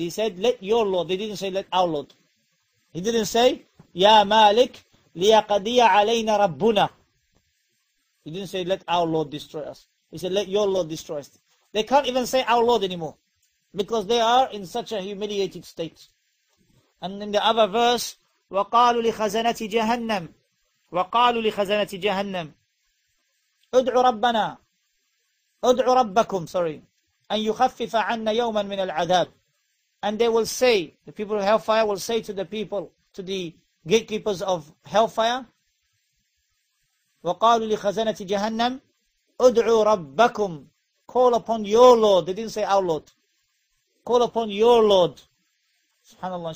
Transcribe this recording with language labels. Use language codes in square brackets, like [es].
[en] He said, let your Lord. They didn't say, let our Lord. He didn't say, [ar] Ya Malik, liyaqdiya alayna rabbuna. [en] He didn't say, let our Lord destroy us. He said, let your Lord destroy us. They can't even say our Lord anymore. Because they are in such a humiliated state. And in the other verse, [ar] وَقَالُوا لِخَزَنَةِ جَهَنَّمْ وَقَالُوا لِخَزَنَةِ جَهَنَّمْ اُدْعُوا رَبَّنَا اُدْعُوا رَبَّكُمْ [en] sorry, [ar] أَنْ يُخَفِّفَ عَنَّا يَوْمًا مِنَ الْعَذَابِ. [en] And they will say, the people of hellfire will say to the people, to the gatekeepers of hellfire, [ar] وَقَالُوا لِخَزَنَةِ جَهَنَّمْ اُدْعُوا رَبَّكُمْ. [en] Call upon your Lord. They didn't say our Lord. Call upon your Lord. SubhanAllah.